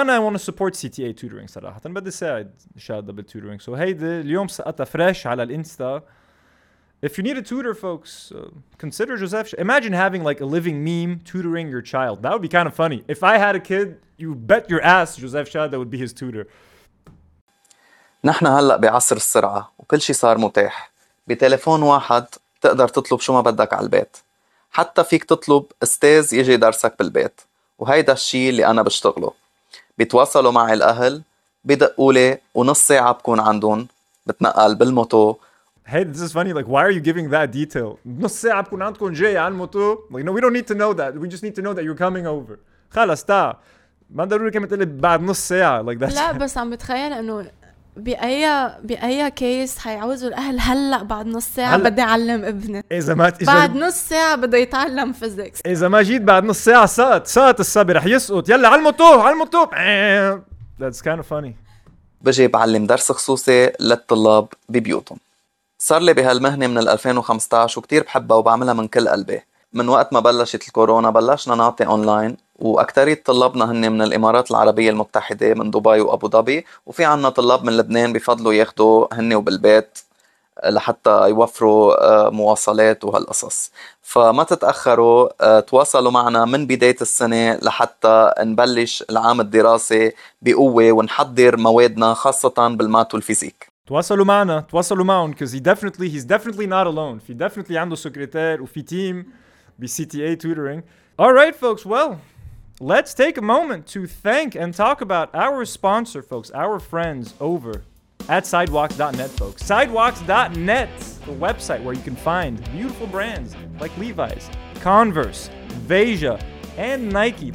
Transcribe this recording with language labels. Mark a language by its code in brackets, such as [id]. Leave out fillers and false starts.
[en] And I want to support CTA tutoring, [ar] صراحة. [en] But this ad, Shada, but tutoring. So, hey, the [ar] اليوم سقطة [en] fresh على الانستا. If you need a tutor, folks, consider Joseph. Imagine having like a living meme tutoring your child. That would be kind of funny. If I had a kid, you bet your ass Joseph Shada would be his tutor. [ar] نحن هلأ بعصر السرعة وكل شيء صار متاح. بتليفون واحد تقدر تطلب شو ما بدك على البيت. حتى فيك تطلب استاذ يجي يدرسك بالبيت. وهيدا الشيء اللي أنا بشتغله. بيتواصلوا مع الأهل بيدقولي ونص ساعة بكون عندهم بتنقل بالموتو. [en] Hey, this is funny. Like, why are you giving that detail? [ar] نص ساعة بكون عندكم جاي على الموتو. [en] Like, no, we don't need to know that. We just need to know that you're coming over. [ar] خلاص تا. ما ضروري كمان تقولي بعد نص ساعة. [en] Like, [ar] لا بس عم بتخيل أنه بأي كيس حيعوزوا الأهل هلأ بعد نص ساعة هلأ بدي أعلم ابني بعد نص ساعة بدي يتعلم فيزيكس. إذا ما جيت بعد نص ساعة سات الصبي رح يسقط. يلا علمتو. [en] That's kind of funny. [ar] بجي بعلم درس خصوصي للطلاب ببيوتهم. صار لي بهالمهنة من 2015 وكتير بحبها وبعملها من كل قلبي. من وقت ما بلشت الكورونا بلشنا نعطي أونلاين وأكترية طلابنا هن من الإمارات العربية المتحدة من دبي وأبو ظبي وفي عنا طلاب من لبنان بفضلوا ياخدوا هن وبالبيت لحتى يوفروا مواصلات وهالقصص. فما تتأخروا تواصلوا معنا من بداية السنة لحتى نبلش العام الدراسي بقوة ونحضر موادنا خاصة بالمات والفيزيك. تواصلوا معنا تواصلوا معهم [en] because he's definitely not alone. [ar] في definitely عنده سكرتير وفي تيم بCTA tutoring. [en] All right, folks. Well, let's take a moment to thank and talk about our sponsor, folks, our friends over at Sidewalks.net, folks. Sidewalks.net, the website where you can find beautiful brands like Levi's, Converse, Veja, and Nike.